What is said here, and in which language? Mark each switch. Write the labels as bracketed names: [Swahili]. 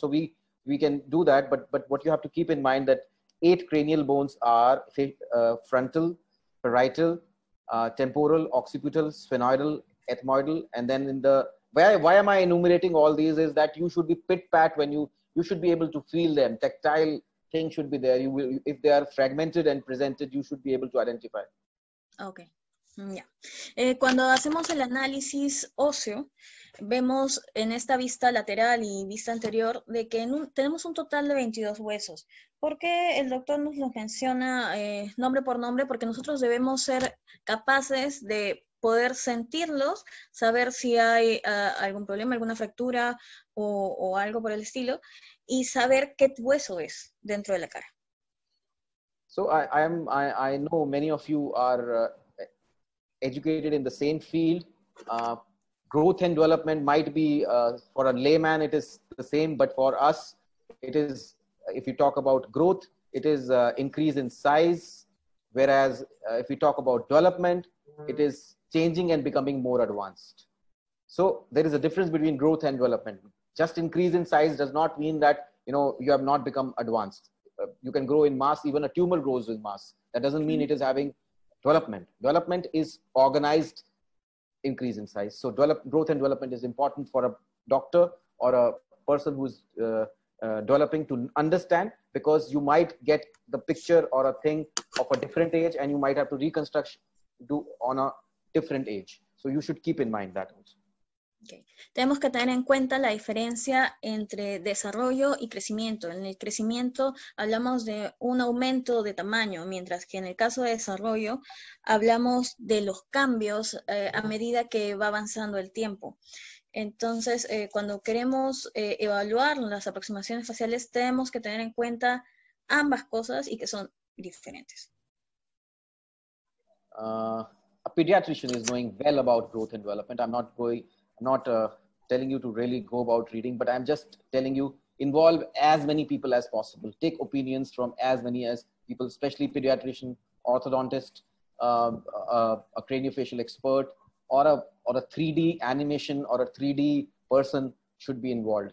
[English] So we can do that, but what you have to keep in mind that 8 cranial bones are frontal, parietal, temporal, occipital, sphenoidal, ethmoidal, and then in the why am I enumerating all these is that you should be pit-pat when you should be able to feel them. Tactile thing should be there. If they are fragmented and presented, you should be able to identify. Okay. Yeah. [Spanish] Cuando hacemos el análisis óseo, vemos en esta vista lateral y vista anterior de que tenemos un total de 22 huesos. ¿Por qué el doctor nos lo menciona nombre por nombre? Porque nosotros debemos ser capaces de poder sentirlos, saber si hay algún problema, alguna fractura o algo por el estilo, y saber qué hueso es dentro de la cara. [English] So I know many of you are educated in the same field. Growth and development might be, for a layman, it is the same, but for us, it is, if you talk about growth, it is increase in size, whereas if you talk about development, it is changing and becoming more advanced. So there is a difference between growth and development. Just increase in size does not mean that, you know, you have not become advanced. You can grow in mass, even a tumor grows with mass. That doesn't mean it is having development. Development is organized increase in size. So growth and development is important for a doctor or a person who's developing to understand, because you might get the picture or a thing of a different age and you might have to reconstruct do on a different age. So you should keep in mind that also. Okay. [Spanish] Tenemos que tener en cuenta la diferencia entre desarrollo y crecimiento. En el crecimiento hablamos de un aumento de tamaño, mientras que en el caso de desarrollo hablamos de los cambios a medida que va avanzando el tiempo. Entonces, cuando queremos evaluar las aproximaciones faciales, tenemos que tener en cuenta ambas cosas y que son diferentes. [English] A pediatrician is knowing well about growth and development. I'm not telling you to really go about reading, but I'm just telling you involve as many people as possible. Take opinions from as many as people, especially pediatrician, orthodontist, a craniofacial expert, or a 3D animation or a 3D person should be involved.